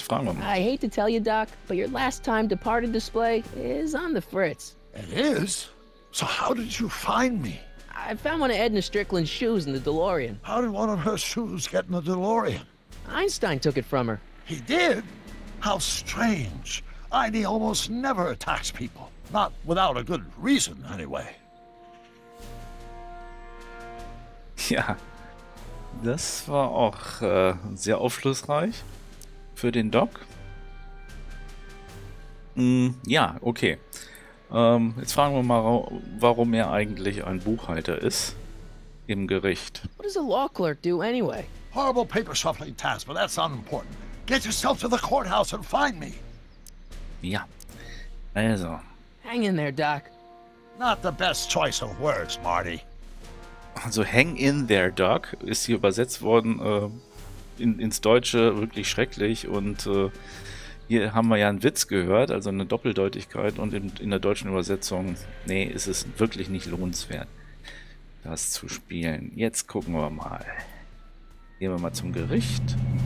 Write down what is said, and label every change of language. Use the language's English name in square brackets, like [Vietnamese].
[German] Fragen wir mal. [English] I hate to tell you, Doc, but your last time departed display is on the fritz. It is? So how did you find me? I found one of Edna Strickland's shoes in the DeLorean. How did one of her shoes get in the DeLorean? Einstein took it from her. He did? How strange. Einie almost never attacks people. Not without a good reason, anyway. [German] Ja. Das war auch sehr aufschlussreich für den Doc. Ja, okay. Jetzt fragen wir mal, warum er eigentlich ein Buchhalter ist im Gericht. [English] What does a law clerk do anyway? Horrible paper shuffling task, but that's not important. Get yourself to the courthouse and find me. [German] Ja. Also. [English] Hang in there, Doc. Not the best choice of words, Marty. [German] Also, [English] hang in there, Doc, [German] ist hier übersetzt worden ins Deutsche, wirklich schrecklich. Und hier haben wir ja einen Witz gehört, also eine Doppeldeutigkeit. Und in der deutschen Übersetzung, nee, ist es wirklich nicht lohnenswert. das zu spielen. Jetzt gucken wir mal. Gehen wir mal zum Gericht.